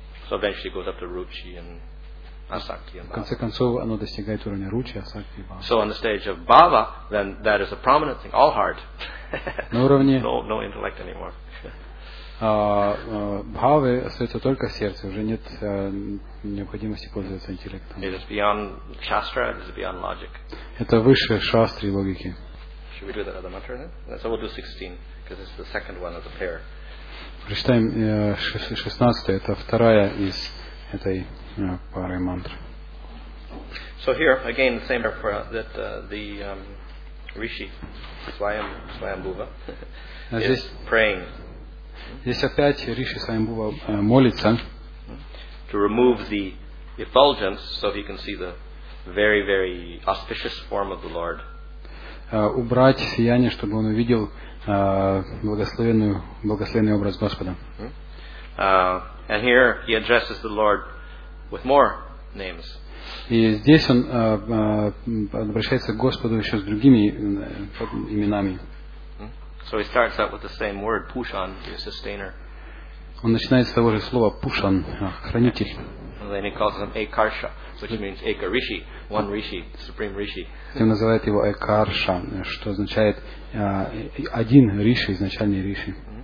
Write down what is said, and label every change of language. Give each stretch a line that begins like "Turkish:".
English: So eventually goes up to ruchi and asakti and bhava.
Russian: В конце концов, оно достигает уровня ruchi, asakti и bhava.
English: So on the stage of bhava, then that is a prominent thing, all heart.
Russian: На уровне
English: no intellect anymore.
Russian: Бхавы остается только сердце, уже нет необходимости пользоваться интеллектом.
English: It is beyond shastra, it is beyond logic.
Russian: Это выше шастры и логики.
English: Should we do that other mantra then? So we'll do 16, because it's the second one of the pair.
Russian: Прочитаем 16, это вторая из этой пары мантр.
English: So here, again, the same for that the Rishi, Swayambhuva, is praying.
Russian: Здесь опять Риши Свайамбхува молится.
English: To remove the effulgence so he can see the very, very auspicious form of the Lord.
Russian: Убрать сияние, чтобы он увидел благословенный образ Господа.
English: And here he addresses the Lord with more names.
Russian: И здесь он обращается к Господу еще с другими именами.
English: So he starts out with the same word, Pushan, the sustainer.
Russian: Он начинает с того же слова Pushan, хранитель.
English: And then he calls him Ekarsha, which means Ekarishi, one Rishi, the supreme Rishi.
Russian: И называет его Ekarsha, что означает один Риши, изначальный Риши.